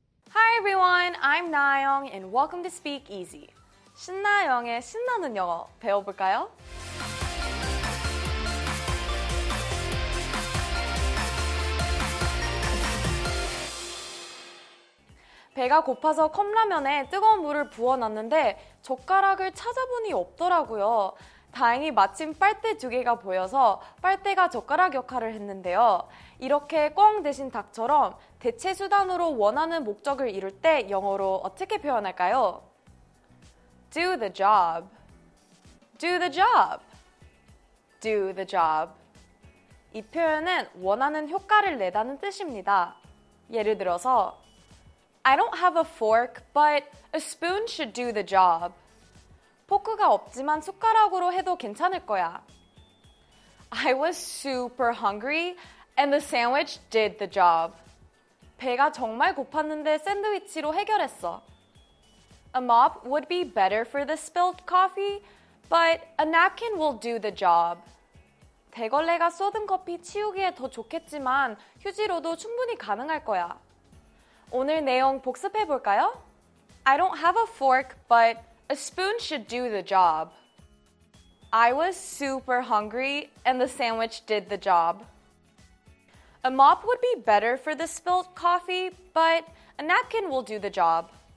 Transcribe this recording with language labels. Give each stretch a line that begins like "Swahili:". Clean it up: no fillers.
English: Hi everyone, I'm Nayoung and welcome to Speak Easy.
Korean: 신나영의 신나는 영어 배워볼까요? 배가 고파서 컵라면에 뜨거운 물을 부어놨는데 젓가락을 찾아보니 없더라고요. 다행히 마침 빨대 두 개가 보여서 빨대가 젓가락 역할을 했는데요. 이렇게 꽝 대신 닭처럼 대체 수단으로 원하는 목적을 이룰 때 영어로 어떻게 표현할까요?
English: Do the job. Do the job. Do the job.
Korean: 이 표현은 원하는 효과를 내다는 뜻입니다. 예를 들어서
English: I don't have a fork, but a spoon should do the job.
Korean: 포크가 없지만 숟가락으로 해도 괜찮을 거야.
English: I was super hungry and the sandwich did the job.
Korean: 배가 정말 고팠는데 샌드위치로 해결했어.
English: A mop would be better for the spilled coffee, but a napkin will do the job.
Korean: 대걸레가 쏟은 커피 치우기에 더 좋겠지만 휴지로도 충분히 가능할 거야. 오늘 내용 복습해 볼까요?
English: I don't have a fork, but a spoon should do the job. I was super hungry, and the sandwich did the job. A mop would be better for the spilled coffee, but a napkin will do the job.